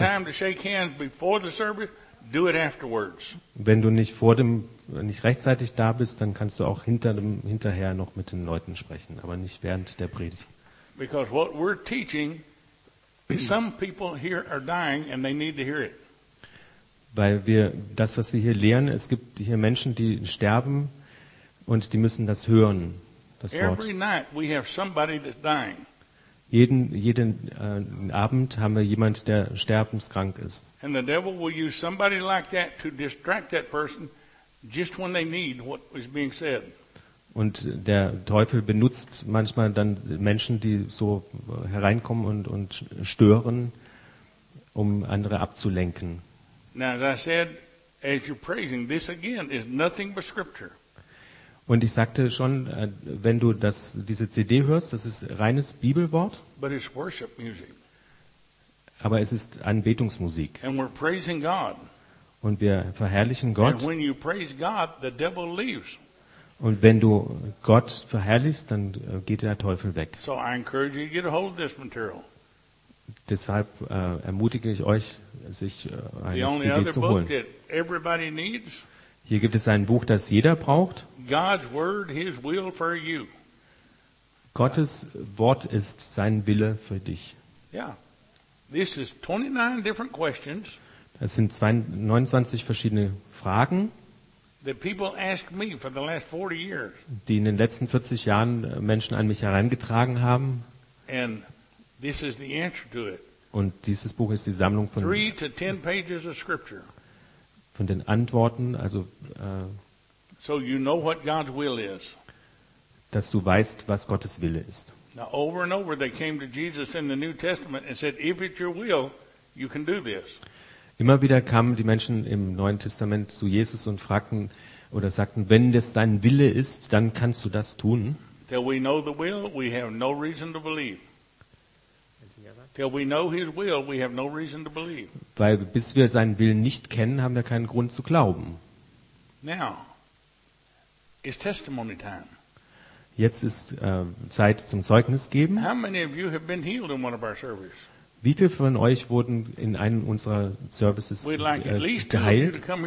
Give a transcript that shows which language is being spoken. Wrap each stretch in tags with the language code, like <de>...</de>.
<en>If you don't get here in time to shake hands before the service, do it afterwards.</en> <de>Wenn du nicht rechtzeitig da bist, dann kannst du auch hinterher noch mit den Leuten sprechen, aber nicht während der Predigt.</de> <en>Because what we're teaching, some people here are dying and they need to hear it.</en> <de>Weil wir das, was wir hier lehren, es gibt hier Menschen, die sterben und die müssen das hören, das Wort.</de> <en>Every night we have somebody that's dying.</en> <de>Jeden Abend haben wir jemand, der sterbenskrank ist.</de> <en>And the devil will use somebody like that to distract that person just when they need what is being said.</en> <de>Und der Teufel benutzt manchmal dann Menschen, die so hereinkommen und stören, um andere abzulenken.</de> <en>Now, as I said, as you're praising, this again is nothing but scripture.</en> <de>Und ich sagte schon, wenn du diese CD hörst, das ist reines Bibelwort.</de> <en>But it's worship music.</en> <de>Aber es ist Anbetungsmusik.</de> <en>And we're praising God.</en> <de>Und wir verherrlichen Gott.</de> <en>And when you praise God, the devil leaves.</en> <de>Und wenn du Gott verherrlichst, dann geht der Teufel weg.</de> <en>So I encourage you to get a hold of this material.</en> <de>Deshalb ermutige ich euch, sich eine CD zu holen.</de> <en>The only other book that everybody needs.</en> <de>Hier gibt es ein Buch, das jeder braucht.</de> <en>God's word, his will for you.</en> <de>Gottes Wort ist sein Wille für dich.</de> <en>Yeah. This is 29 different questions.</en> <de>Das sind 29 verschiedene Fragen.</de> <en>The people ask me for the last 40 years.</en> <de>Die in den letzten 40 Jahren Menschen an mich herangetragen haben.</de> <en>And this is the answer to it.</en> <de>Und dieses Buch ist die Sammlung von</de> <en>3 to 10 pages of scripture.</en> <de>Von den Antworten, also</de> <en>so you know what God's will is.</en> <de>Dass du weißt, was Gottes Wille ist.</de> <en>Now over and over they came to Jesus in the New Testament and said, if it's your will, you can do this.</en> <de>Immer wieder kamen die Menschen im Neuen Testament zu Jesus und fragten oder sagten, wenn das dein Wille ist, dann kannst du das tun.</de> <en>Till we know the will, we have no reason to believe. Till we know his will, we have no reason to believe.</en> <de>Weil bis wir seinen Willen nicht kennen, haben wir keinen Grund zu glauben.</de> <en>Now, it's testimony time.</en> <de>Jetzt ist Zeit zum Zeugnis geben.</de> <en>How many of you have been healed in one of our services?</en> <de>Wie viele von euch wurden in einem unserer Services geheilt?</de>